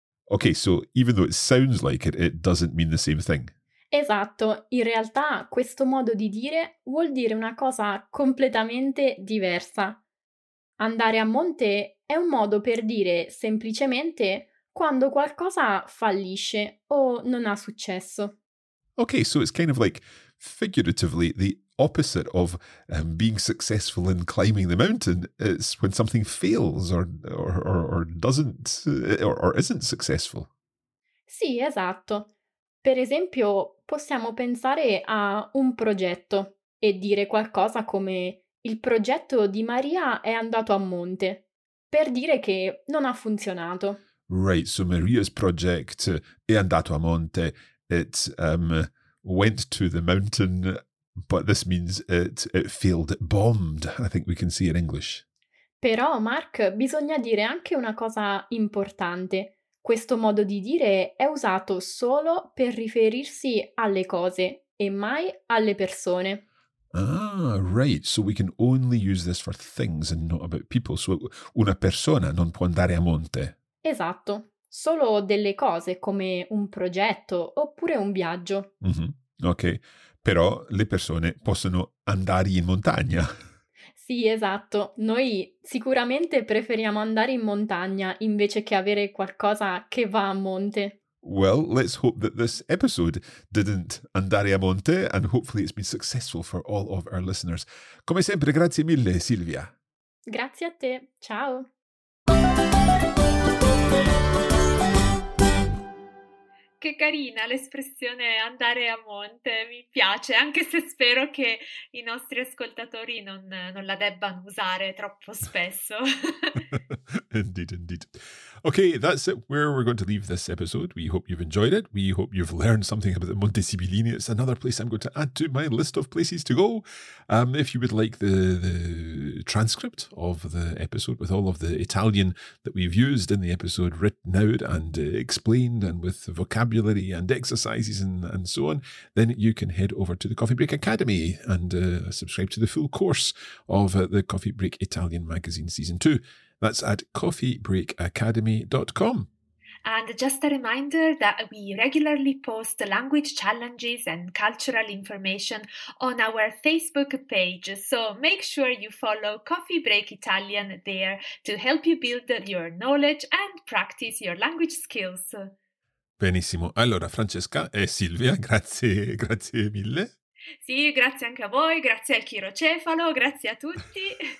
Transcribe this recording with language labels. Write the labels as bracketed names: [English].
[English] Ok, so even though it sounds like it, it doesn't mean the same thing. [Italian] Esatto, in realtà questo modo di dire vuol dire una cosa completamente diversa. Andare a monte è un modo per dire semplicemente quando qualcosa fallisce o non ha successo. [English] Okay, so it's kind of like, figuratively, the opposite of being successful in climbing the mountain. It's when something fails or isn't successful. [Italian] Sì, esatto. Per esempio, possiamo pensare a un progetto e dire qualcosa come il progetto di Maria è andato a monte, per dire che non ha funzionato. [English] Right, so Maria's project [Italian] è andato a monte. [English] It went to the mountain But this means it failed, it bombed, I think we can see in English. [Italian] Però, Mark, bisogna dire anche una cosa importante. Questo modo di dire è usato solo per riferirsi alle cose e mai alle persone. [English] Ah, right. So we can only use this for things and not about people. [Italian] So una persona non può andare a monte. Esatto. Solo delle cose come un progetto oppure un viaggio. Mm-hmm. Ok. Però le persone possono andare in montagna. Sì, esatto. Noi sicuramente preferiamo andare in montagna invece che avere qualcosa che va a monte. [English] Well, let's hope that this episode didn't [Italian] andare a monte [English] and hopefully it's been successful for all of our listeners. [Italian] Come sempre, grazie mille, Silvia. Grazie a te. Ciao. Che carina l'espressione andare a monte, mi piace, anche se spero che i nostri ascoltatori non la debbano usare troppo spesso. [English] Indeed, indeed. Okay, that's it, where we're going to leave this episode. We hope you've enjoyed it. We hope you've learned something about the Monte Sibillini. It's another place I'm going to add to my list of places to go. If you would like the transcript of the episode with all of the Italian that we've used in the episode written out and explained and with vocabulary and exercises and so on, then you can head over to the Coffee Break Academy and subscribe to the full course of the Coffee Break Italian magazine season 2. That's at coffeebreakacademy.com. And just a reminder that we regularly post language challenges and cultural information on our Facebook page. So make sure you follow Coffee Break Italian there to help you build your knowledge and practice your language skills. [Italian] Benissimo. Allora, Francesca e Silvia, grazie, grazie mille. Sì, grazie anche a voi, grazie al Chirocefalo, grazie a tutti.